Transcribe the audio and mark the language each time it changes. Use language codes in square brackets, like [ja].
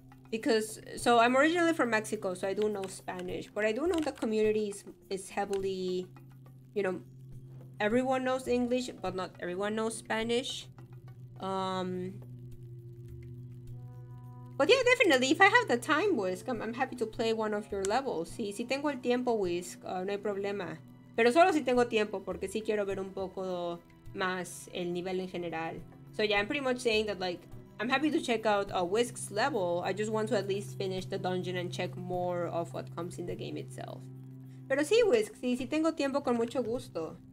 [en] Because, so I'm originally from Mexico, so I do know Spanish, but I do know the community is heavily, you know, everyone knows English, but not everyone knows Spanish. But yeah, definitely, if I have the time, Whisk, I'm happy to play one of your levels. [es] Sí, si tengo el tiempo, Whisk, no hay problema. Pero solo si tengo tiempo, porque sí quiero ver un poco más el nivel en general. [en] So yeah, I'm pretty much saying that, like, I'm happy to check out Whisk's level. I just want to at least finish the dungeon and check more of what comes in the game itself. [es] Pero sí, Whisk, sí, si tengo tiempo, con mucho gusto.